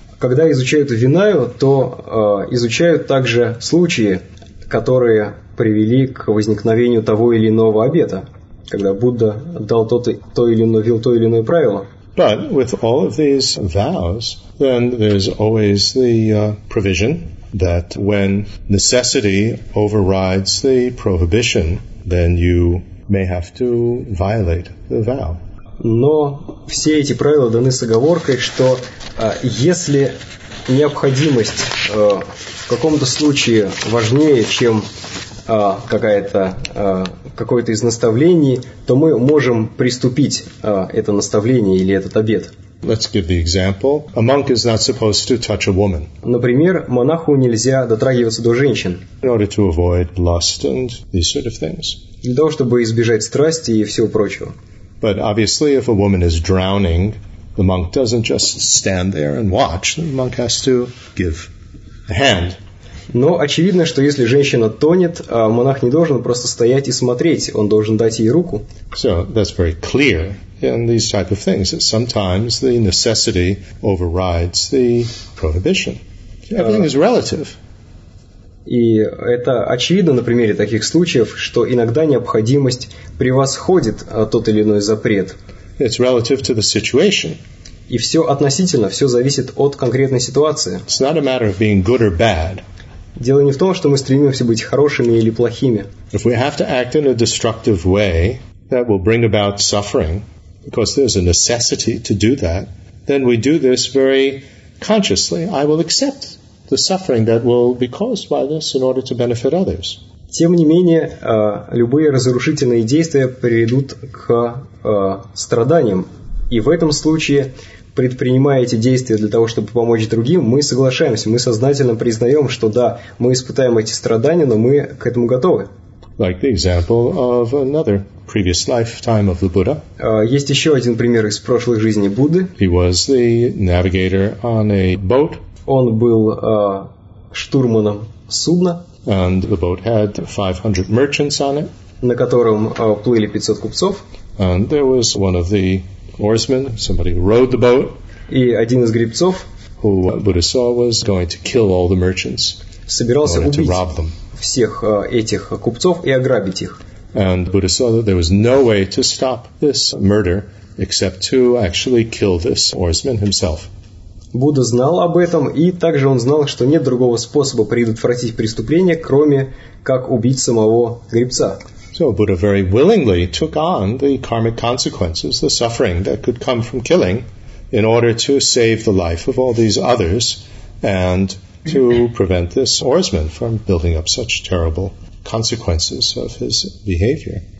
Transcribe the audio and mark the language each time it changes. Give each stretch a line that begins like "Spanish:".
Russian: Когда изучают Винаю, то изучают также случаи, которые привели к возникновению того или иного обета, когда Будда дал то или иное, ввел то или иное правило.
English: But with all of these vows, then there's always the provision that when necessity overrides the prohibition, then you may have to violate the vow.
Russian: Но все эти правила даны с оговоркой, что если необходимость в каком-то случае важнее, чем какое-то из наставлений, то мы можем приступить это наставление или этот обет.
English: Let's give the example. A monk is not supposed to touch a woman.
Russian: Например, монаху нельзя дотрагиваться до женщин.
English: In order to avoid lust and these sort of things.
Russian: Для того, чтобы избежать страсти и всего прочего.
English: But obviously, if a woman is drowning, the monk doesn't just stand there and watch. The monk has to give a hand.
Russian: Но очевидно, что если женщина тонет, монах не должен просто стоять и смотреть. Он должен дать ей руку.
English: So that's very clear in these type of things. That sometimes the necessity overrides the prohibition. Everything is relative.
Russian: И это очевидно на примере таких случаев, что иногда необходимость превосходит тот или иной запрет.
English: It's relative to the situation.
Russian: И все относительно, все зависит от конкретной ситуации.
English: It's not a matter of being good or bad.
Russian: Дело не в том, что мы стремимся быть хорошими или плохими.
English: If we have to act in a destructive way that will bring about suffering, because there's a necessity to do that, then we do this very consciously. I will accept the suffering that will be caused by this in order to benefit others.
Russian: Тем не менее, любые разрушительные действия приведут к страданиям. И в этом случае, предпринимая эти действия для того, чтобы помочь другим, мы соглашаемся, мы сознательно признаем, что да, мы испытаем эти страдания, но мы к этому готовы.
English: Like the example of another previous lifetime of the Buddha.
Russian: Есть еще один пример из прошлой жизни Будды.
English: He was the navigator on a boat.
Russian: Он был штурманом судна.
English: And the boat had 500 merchants on it.
Russian: На котором плыли 500 купцов.
English: And there was one of the oarsmen, somebody who rowed the boat.
Russian: И один из гребцов,
English: who Buddha saw was going to kill all the merchants.
Russian: Собирался убить всех этих купцов и ограбить их.
English: And Buddha saw that there was no way to stop this murder except to actually kill this oarsman himself.
Russian: Будда знал об этом, и также он знал, что нет другого способа предотвратить преступление, кроме как убить самого гребца.
English: So Buddha very willingly took on the karmic consequences, the suffering that could come from killing, in order to save the life of all these others and to prevent this oarsman from building up such terrible consequences of his behavior.